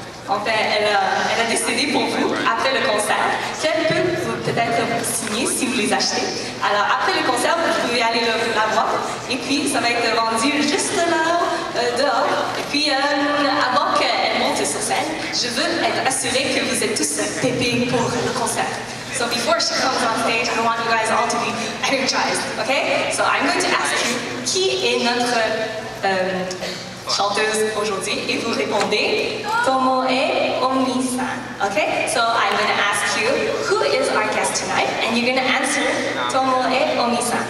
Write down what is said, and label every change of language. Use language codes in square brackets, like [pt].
[fr] elle a décidé pour vous, après le concert, qu'elle peut peut-être vous signer si vous les achetez. Alors, après le concert, vous pouvez aller la voir, et puis ça va être vendu juste là, dehors. Et puis, avant qu'elle monte sur scène, je veux être assurée que vous êtes tous pépés pour le concert. [en] So before she comes on stage, I want you guys all to be energized, okay? So I'm going to ask you, [fr] qui est notre... chanteuse aujourd'hui, et vous répondez Tomoe Omi-san. [en] Okay, so I'm going to ask you who is our guest tonight, and you're going to answer Tomoe Omi-san.